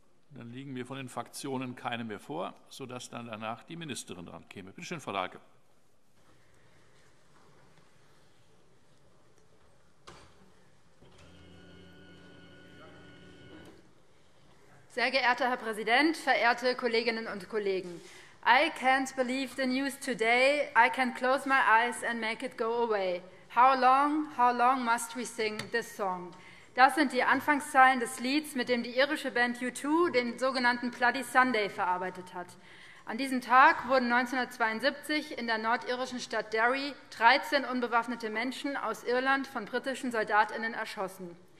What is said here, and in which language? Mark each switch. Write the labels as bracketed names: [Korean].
[German] Dann liegen mir von den Fraktionen keine mehr vor, sodass dann danach die Ministerin dran käme. Bitte schön, Frau Dahlke. Sehr geehrter Herr Präsident, verehrte Kolleginnen und Kollegen! [English] I can't believe the news today. I can close my eyes and make it go away. How long must we sing this song? [German] Das sind die Anfangszeilen des Lieds, mit dem die irische Band U2 den sogenannten Bloody Sunday verarbeitet hat. An diesem Tag wurden 1972 in der nordirischen Stadt Derry 13 unbewaffnete Menschen aus Irland von britischen SoldatInnen erschossen.